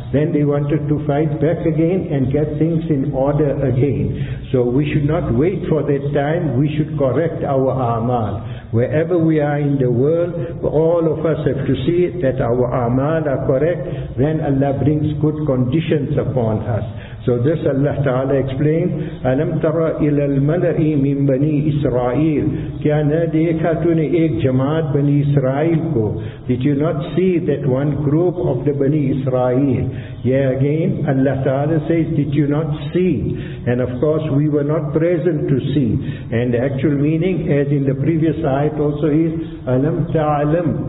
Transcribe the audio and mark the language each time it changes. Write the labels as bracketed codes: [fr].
[en] Then they wanted to fight back again and get things in order again. So we should not wait for that time, we should correct our a'mal. Wherever we are in the world, all of us have to see that our a'mal are correct, then Allah brings good conditions upon us. So this Allah Ta'ala explained, [ar] أَلَمْ تَرَ إِلَى الْمَلَئِ مِنْ بَنِي إِسْرَائِيلِ. [hi] Kya na dekha tune ek jamaat Bani Israel ko? [en] Did you not see that one group of the Bani Israel? Yeah, again, Allah Ta'ala says, did you not see? And of course, we were not present to see. And the actual meaning, as in the previous ayat also is, [ar] أَلَمْ تَعْلَمْ.